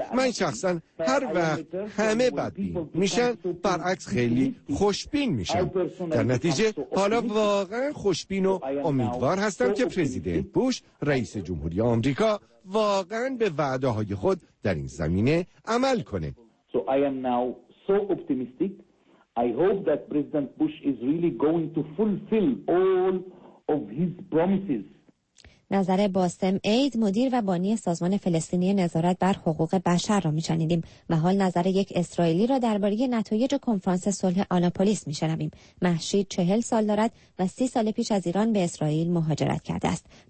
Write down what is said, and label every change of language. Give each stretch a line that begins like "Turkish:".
Persian: من شخصا هر وقت همه بدبین میشن، برعکس خیلی خوشبین میشن. در نتیجه حالا واقعا خوشبین و امیدوار هستم که پرزیدنت بوش، رئیس جمهوری آمریکا، واقعا به وعده های خود در این زمینه عمل کنه.
English: I hope that President Bush is really going to fulfill all of his promises.
Persian: نظر باسم عید، مدیر و بانی سازمان فلسطینی نظارت بر حقوق بشر را می‌شنیدیم و حال نظر یک اسرائیلی را درباره نتایج کنفرانس صلح آناپولیس می‌شنویم. محشید 40 سال دارد و 30 سال پیش از ایران به اسرائیل مهاجرت کرده است.